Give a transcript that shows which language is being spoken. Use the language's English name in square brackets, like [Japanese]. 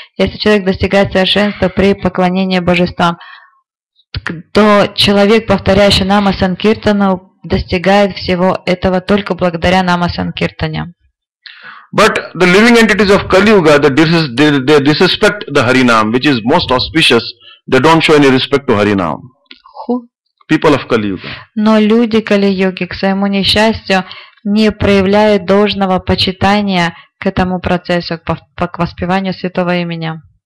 [Russian] Если человек достигает совершенства при поклонении божествам, то человек, повторяющий нама санкиртану, достигает всего этого только благодаря нама санкиртане. [English] But the living entities of Kali Yuga, they disrespect the Harinam, which is most auspicious. They don't show any respect to Harinam. People of Kali Yuga. [Russian] Но люди Кали-йоги, к своему несчастью, не проявляют должного почитания к этому процессу, к воспеванию святого имени.